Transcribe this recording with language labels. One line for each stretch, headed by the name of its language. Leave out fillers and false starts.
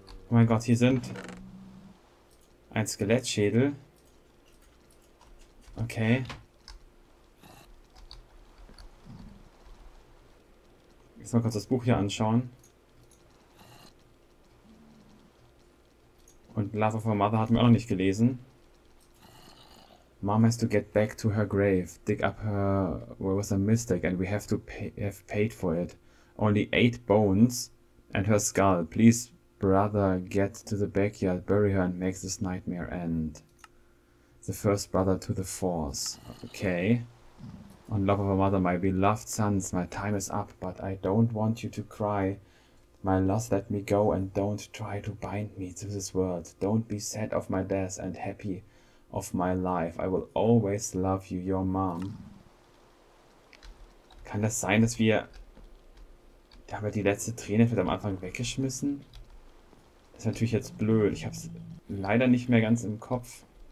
German: Oh mein Gott, hier sind ein Skelettschädel. Okay. Jetzt mal kurz das Buch hier anschauen. Und Love of a Mother hatten wir auch noch nicht gelesen.
English: Mom has to get back to her grave. Dig up her... Well, it was a mistake and we have to pay, have paid for it. Only 8 bones and her skull. Please, brother, get to the backyard, bury her and make this nightmare end. The first brother to the force. Okay. On love of a mother, my beloved sons, my time is up, but I don't want you to cry. My loss, let me go and don't try to bind me to this world. Don't be sad of my death and happy of my life. I will always love you, your mom.
German: Kann das sein, dass wir... Da haben wir die letzte Träne wird am Anfang weggeschmissen. Das ist natürlich jetzt blöd. Ich habe es leider nicht mehr ganz im Kopf.